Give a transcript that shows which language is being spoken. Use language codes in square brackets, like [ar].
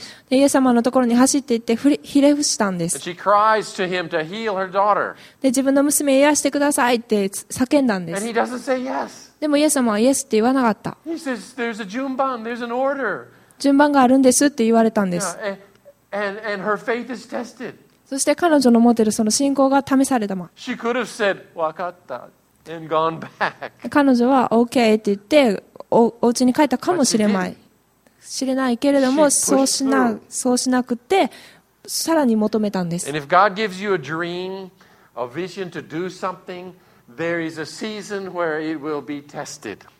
[ja] イエス様のところに走っていって ひれ伏したんです。で、自分の娘を癒してくださいって叫んだんです。 [en] And he doesn't say yes. [ja] でもイエス様はイエスって言わなかった。 [en] He says, there's a 順番, there's an order. [ja] 順番があるんですって言われたんです。 [en] And her faith is tested. [ja] そして彼女の持てるその信仰が試されたま。 [en] She could have said, [ja] わかった [en] and gone back. [ja] 彼女は OK って言って お家に帰ったかもしれない。知れないけれども、そうしなくて、さらに求めたんです。 [en] And if God gives you a dream, a vision to do something, there is a season where it will be tested.